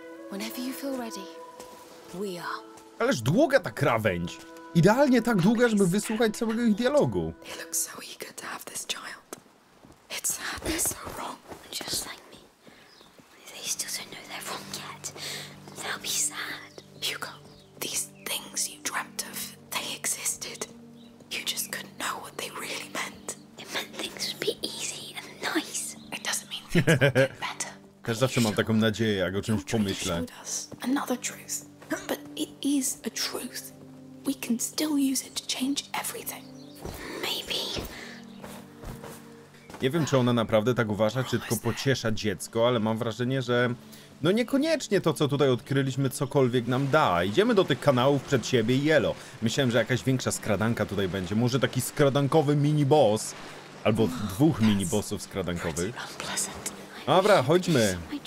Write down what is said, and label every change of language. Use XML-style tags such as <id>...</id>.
<en>Whenever you feel ready, we are.</en> <pl>Ależ długa ta krawędź. Idealnie tak długa, żeby wysłuchać całego ich dialogu.</pl> <en>He looks so eager to have this child. It's sad they're so wrong. Just like me. They still don't know they're wrong yet. They'll be sad. Hugo, these things you dreamt of, they existed. You just couldn't know what they really meant. It meant things would be easy and nice. It doesn't mean things would get better.</en> <pl>Też zawsze mam taką nadzieję, jak o czymś pomyślę.</pl> <en>Another truth. But it is a truth. We can still use it to change everything. Maybe.</en> <pl>Nie wiem, czy ona naprawdę tak uważa, czy tylko pociesza dziecko, ale mam wrażenie, że no niekoniecznie to, co tutaj odkryliśmy, cokolwiek nam da. Idziemy do tych kanałów przed siebie i elo. Myślałem, że jakaś większa skradanka tutaj będzie. Może taki skradankowy mini boss, albo dwóch mini bossów skradankowych. Dobra, chodźmy.</pl>